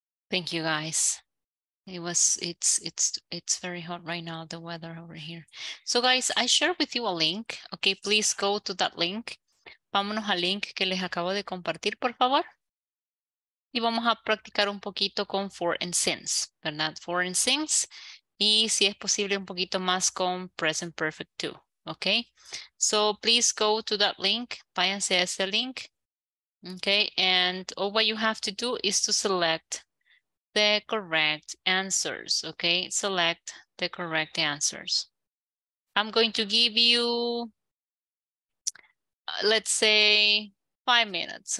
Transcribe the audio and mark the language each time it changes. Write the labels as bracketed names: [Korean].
[English] Thank you, guys. It's very hot right now, the weather over here. So guys, I share with you a link. Okay, please go to that link. [Spanish] Vámonos al link que les acabo de compartir, por favor. Y vamos a practicar un poquito con for and since, ¿verdad? For and since, Y si es posible, un poquito más con present perfect too. [English] Okay, so please go to that link, [Spanish] váyanse a ese link. [English] Okay, and all what you have to do is to select the correct answers. Okay, select the correct answers. I'm going to give you, let's say, 5 minutes.